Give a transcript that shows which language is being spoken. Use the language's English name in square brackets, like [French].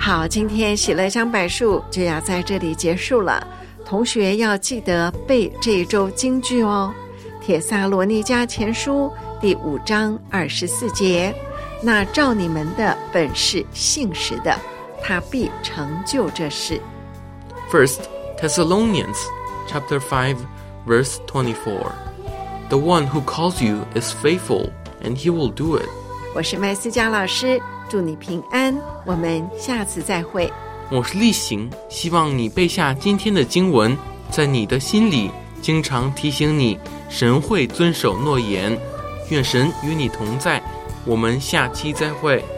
[Chinese] 今天喜乐香柏树就要在这里结束了，同学要记得背这一周金句哦。帖撒罗尼迦前书第五章二十四节，那照你们的本事信实的，他必成就这事。 [English] First Thessalonians chapter 5 verse 24, The one who calls you is faithful and he will do it. [Chinese] 我是麦思佳老师，祝你平安，我们下次再会。我是立行，希望你背下今天的经文，在你的心里经常提醒你，神会遵守诺言。愿神与你同在，我们下期再会。